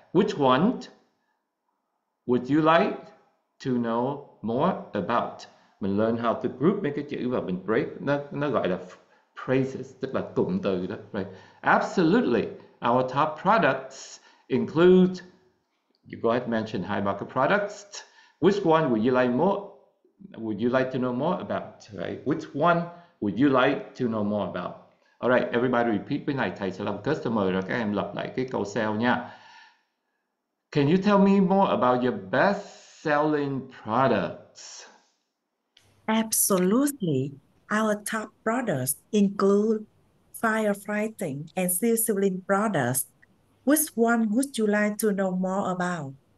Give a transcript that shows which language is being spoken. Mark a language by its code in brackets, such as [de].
[en] Which one would you like to know more about. [vi] Mình [en] learn how to group [vi] mấy cái chữ và mình break. Nó gọi là phrases, tức là cụm từ đó, right? [en] Absolutely, our top products include, you go ahead and mention high market products. Which one would you like more, would you like to know more about, right? Which one would you like to know more about? All right, everybody repeat [vi] bên này. Thầy sẽ làm customer rồi các em lặp lại cái câu sale nha. [en] Can you tell me more about your best-selling products? Absolutely. Our top products include firefighting and sizzling products. Which one would you like to know more about?